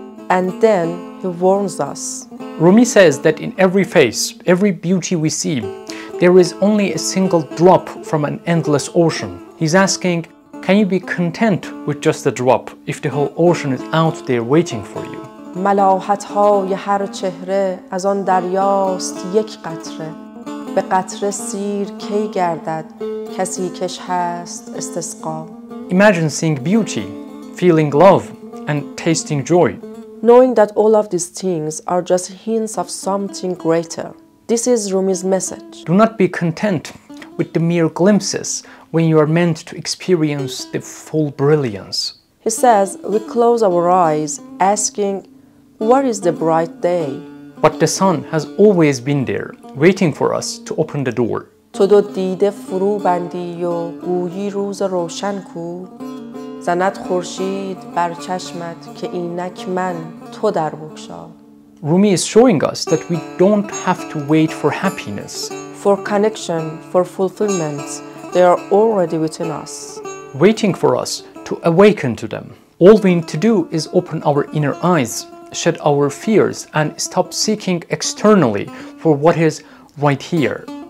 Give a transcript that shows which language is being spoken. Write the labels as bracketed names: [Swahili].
[English] And then he warns us. Rumi says that in every face, every beauty we see, there is only a single drop from an endless ocean. He's asking, can you be content with just a drop if the whole ocean is out there waiting for you? [Persian] ملاحت‌های هر چهره از آن دریاست یک قطره به قطره سیر کی گردد کسی کش هست استسقا. [English] Imagine seeing beauty, feeling love, and tasting joy. Knowing that all of these things are just hints of something greater. This is Rumi's message. Do not be content with the mere glimpses when you are meant to experience the full brilliance. He says, we close our eyes asking, where is the bright day? But the sun has always been there, waiting for us to open the door. [Persian] تو دو دیده فرو بندی و گویی روز روشن کو زنت خورشید بر چشمت که اینک من تو در بگشا. [English] Rumi is showing us that we don't have to wait for happiness. For connection, for fulfillment, they are already within us. Waiting for us to awaken to them. All we need to do is open our inner eyes, shed our fears, and stop seeking externally for what is right here.